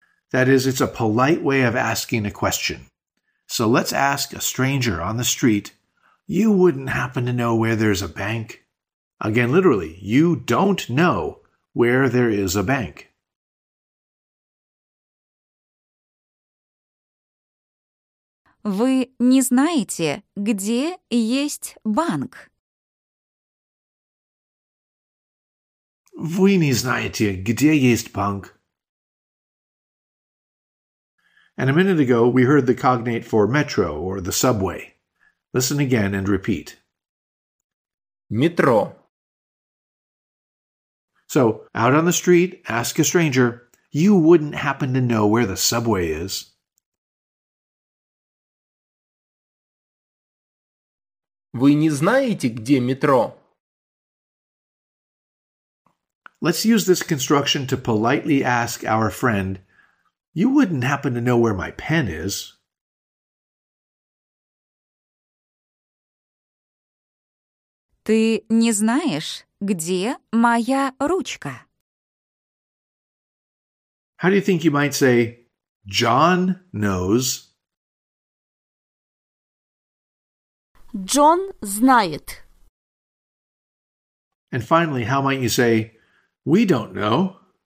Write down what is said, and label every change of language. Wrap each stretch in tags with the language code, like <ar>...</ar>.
<en>That is, it's a polite way of asking a question. So let's ask a stranger on the street, you wouldn't happen to know where there's a bank? Again, literally, you don't know where there is a bank.</en> <ru>Вы не знаете, где есть банк? Вы не знаете, где есть банк?</ru> <en>And a minute ago, we heard the cognate for metro or the subway. Listen again and repeat.</en> <ru>Метро.</ru> <en>So So, out on the street, ask a stranger, you wouldn't happen to know where the subway is.</en> <ru>Вы не знаете, где метро?</ru> <en>Let's use this construction to politely ask our friend, you wouldn't happen to know where my pen is.</en> <ru>Ты не знаешь, где моя ручка?</ru> <en>How do you think you might say, John knows?</en> <ru>John знает.</ru> <en>And finally, how might you say, we don't know?</en>